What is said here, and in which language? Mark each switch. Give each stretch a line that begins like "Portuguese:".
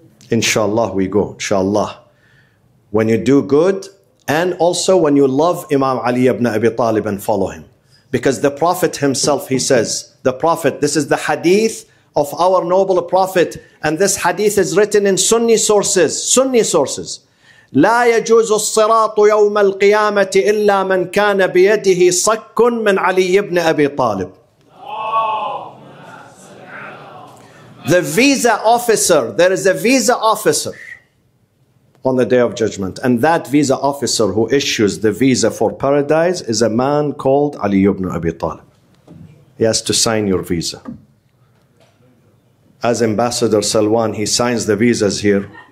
English: Inshallah, we go. Inshallah. When you do good, and also when you love Imam Ali ibn Abi Talib and follow him. Because the Prophet himself, he says, the Prophet, this is the hadith of our noble Prophet. And this hadith is written in Sunni sources. Sunni sources.
Arabic: لا يجوز الصراط يوم القيامة إلا من كان بيده صك من علي بن أبي طالب.
English: The visa officer, there is a visa officer on the Day of Judgment. And that visa officer who issues the visa for paradise is a man called Ali ibn Abi Talib. He has to sign your visa. As Ambassador Salwan, he signs the visas here.